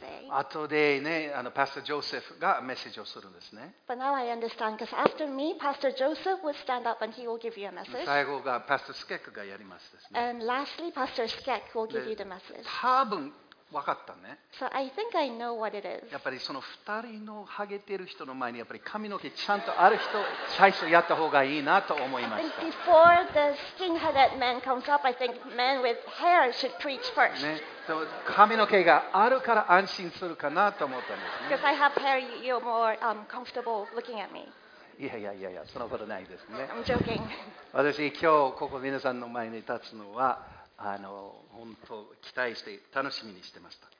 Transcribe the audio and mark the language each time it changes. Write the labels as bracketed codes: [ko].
[ja] 後でね、あのパスタジョセフがメッセージをするんですね。 [en] But now I understand because after me, Pastor Joseph will stand up and he will give you a message. [ja] 最後がパスタスケックがやりますですね。 [en] And lastly, Pastor Skek will give you the message. [ja] 多分分かったね。 [en] So I think I know what it is. [ja] やっぱりその二人のハゲてる人の前にやっぱり髪の毛ちゃんとある人最初やった方がいいなと思いました。 [en] Before the skinheaded man comes up, I think men with hair should preach first. [ja] ね、髪の毛があるから安心するかなと思ったんですね。 [en] Because I have hair, you're more comfortable looking at me. [ja] いやそのことないですね。 [en] I'm joking. [ja] 私今日ここ皆さんの前に立つのは。あの本当期待して楽しみにしてました。